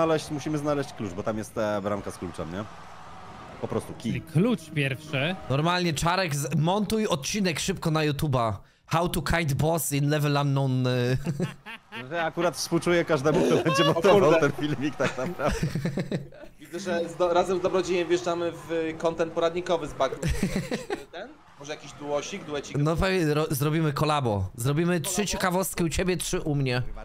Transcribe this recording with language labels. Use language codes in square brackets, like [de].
[pl] Musimy znaleźć klucz, bo tam jest ta bramka z kluczem, nie? Po prostu kij. Klucz pierwszy. Normalnie, Czarek, montuj odcinek szybko na YouTube'a. [en] How to kite boss in level unknown. [pl] Ja akurat współczuję każdemu, kto będzie montował ten filmik tak naprawdę. Widzę, że razem z dobrodziejem wjeżdżamy w content poradnikowy z bug. Może jakiś duosik, duecik? No pewnie zrobimy kolabo. Zrobimy kolabo? Trzy ciekawostki u ciebie, trzy u mnie.